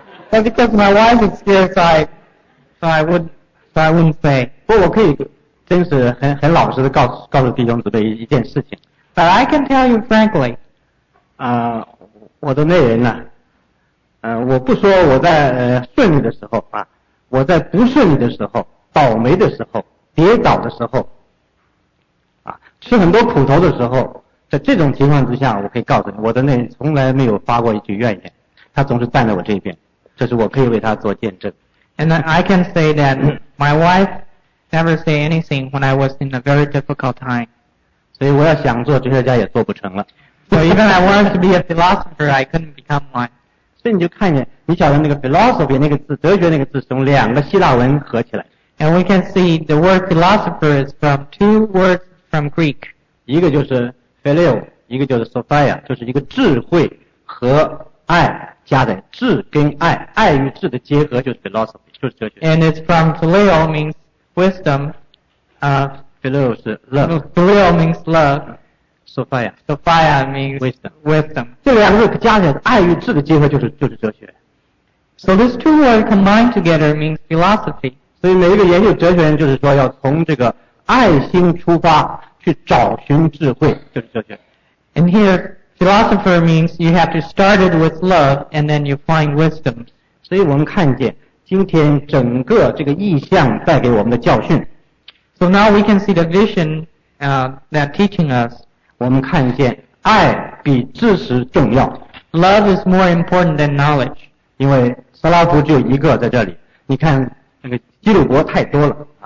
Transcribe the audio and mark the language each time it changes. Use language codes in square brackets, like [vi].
[en] But because my wife is here, so I wouldn't say. [zh] 不，我可以真是很老实的告诉弟兄姊妹一件事情。 [en] But I can tell you frankly. [zh] 我的内人呢、啊？我不说我在顺利的时候啊，我在不顺利的时候、倒霉的时候、跌倒的时候，啊，吃很多苦头的时候，在这种情况之下，我可以告诉你，我的内人从来没有发过一句怨言，他总是站在我这边。这是我可以为他做见证。 [en] And I can say that my wife never say anything when I was in a very difficult time. [zh] 所以我要想做哲学家也做不成了。 [en] So even I wanted to be a philosopher, I couldn't become one. [zh] 所以你就看见，你晓得那个 philosophy 那个字，哲学那个字，从两个希腊文合起来。 [en] And we can see the word philosopher is from two words from Greek. [zh] 一个就是 philo, 一个就是 sophia, 就是一个智慧和爱加的智跟爱爱与智的结合就是 philosophy, 就是哲学。 [en] And it's from philo means wisdom, philo 是 love. Philo means love. Sophia means wisdom. [zh] 这两个加起来爱与智的结合就是哲学。 [en] So these two words combined together means philosophy. [zh] 所以每一个研究哲学人就是说要从这个爱心出发去找寻智慧就是哲学。 [en] And here, philosopher means you have to start it with love and then you find wisdom. [zh] 所以我们看见今天整个这个意象带给我们的教训。 [en] So now we can see the vision, that teaching us. [zh] 我们看见爱比知识重要。 [en] Love is more important than knowledge. [zh] 因为斯拉夫就一个在这里。你看那个基鲁伯太多了。